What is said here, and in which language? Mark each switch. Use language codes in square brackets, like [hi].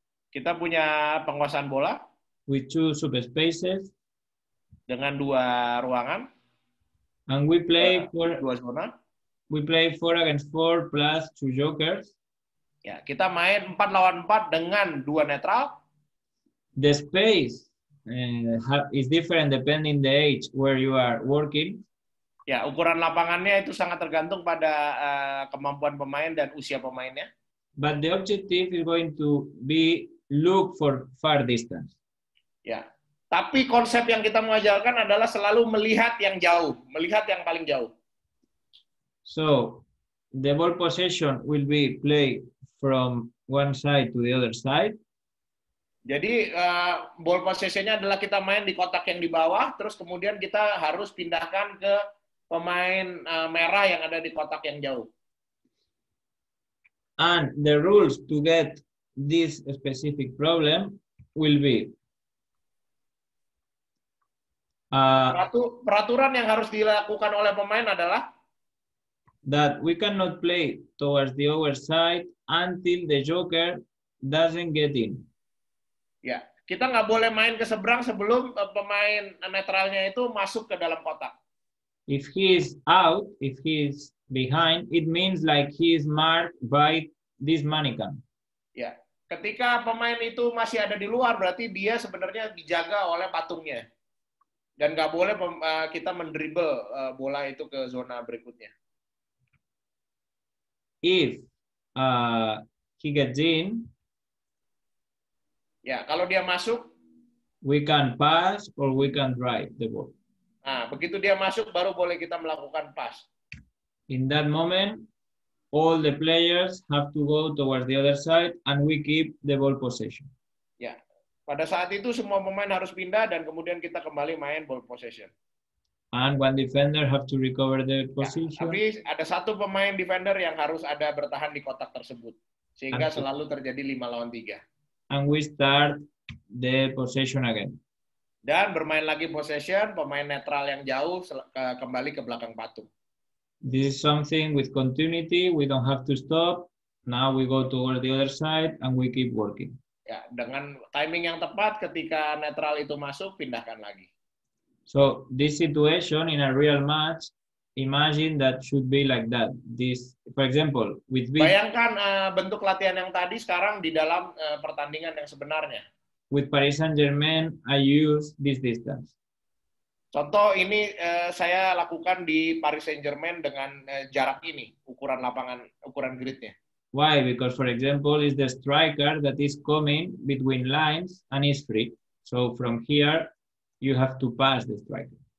[id] Kita punya penguasaan bola [en] with two subspaces [id] dengan dua ruangan, [en] and we play for [id] dua zona. [en] We play 4 against 4 plus two jokers. [id] Ya, kita main 4 lawan 4 dengan dua netral. [en] The space is different depending the age where you are working. [id] Ya, ukuran lapangannya itu sangat tergantung pada kemampuan pemain dan usia pemainnya. [en] But the objective is going to be look for far distance. [id] Ya. Tapi konsep yang kita mengajarkan adalah selalu melihat yang jauh, melihat yang paling jauh. [en] So, the ball possession will be played from one side to the other side. [id] Jadi, ball possession-nya adalah kita main di kotak yang di bawah, terus kemudian kita harus pindahkan ke pemain merah yang ada di kotak yang jauh. [en] And the rules to get this specific problem will be [id] peraturan yang harus dilakukan oleh pemain adalah [en] that we cannot play towards the other side until the joker doesn't get in. [id] Ya, kita nggak boleh main ke seberang sebelum pemain netralnya itu masuk ke dalam kotak. [en] If he is out, if he is behind, it means like he is marked by this mannequin. [id] Ya. Ketika pemain itu masih ada di luar, berarti dia sebenarnya dijaga oleh patungnya. Dan nggak boleh kita mendribel bola itu ke zona berikutnya. [en] If he gets in, [id] ya, kalau dia masuk, [en] we can pass or we can drive the ball. [id] Nah, begitu dia masuk, baru boleh kita melakukan pass. [en] In that moment, all the players have to go towards the other side and we keep the ball possession. [id] Ya, pada saat itu semua pemain harus pindah dan kemudian kita kembali main ball possession. [en] And one defender have to recover the position. [id] Ya, tapi ada satu pemain defender yang harus ada bertahan di kotak tersebut. Sehingga and selalu terjadi 5 lawan 3. [en] And we start the possession again. [id] Dan bermain lagi possession, pemain netral yang jauh kembali ke belakang patung. [en] This is something with continuity. We don't have to stop. Now we go toward the other side and we keep working. [id] Ya, dengan timing yang tepat ketika netral itu masuk, pindahkan lagi. [en] So this situation in a real match, imagine that should be like that. This, for example, with [id] big. Bayangkan bentuk latihan yang tadi sekarang di dalam pertandingan yang sebenarnya. [en] With Paris Saint-Germain, I use this distance. [id] Contoh ini saya lakukan di Paris Saint-Germain dengan jarak ini, ukuran lapangan, ukuran gridnya. [en] Why? Because for example, is the striker that is coming between lines and is free. So from here, you have to pass the striker.